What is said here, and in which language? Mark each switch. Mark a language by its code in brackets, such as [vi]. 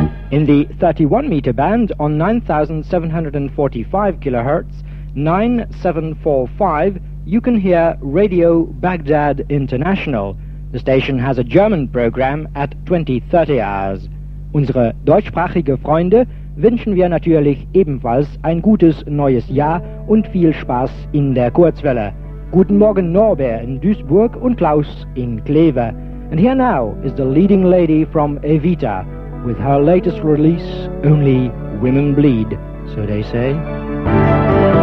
[en] In the 31 meter band on 9745 kHz, 9745, you can hear Radio Baghdad International. The station has a German program at 20:30 hours. [de] Unsere deutschsprachige Freunde wünschen wir natürlich ebenfalls ein gutes neues Jahr und viel Spaß in der Kurzwelle. Guten Morgen Norbert in Duisburg und Klaus in Kleve. [en] And here now is the leading lady from Evita with her latest release, Only Women Bleed, so they say.